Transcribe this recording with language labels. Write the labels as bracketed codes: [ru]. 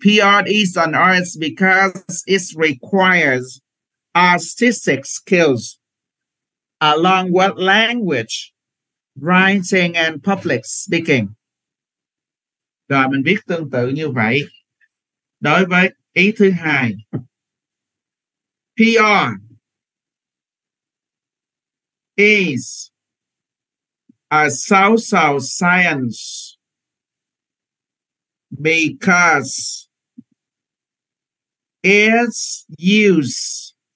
[en] PR is an art because it requires artistic skills along with language, writing, and public speaking. [vi] Rồi mình viết tương tự như vậy. Đối với ý thứ hai, [en] PR is a social science because it's used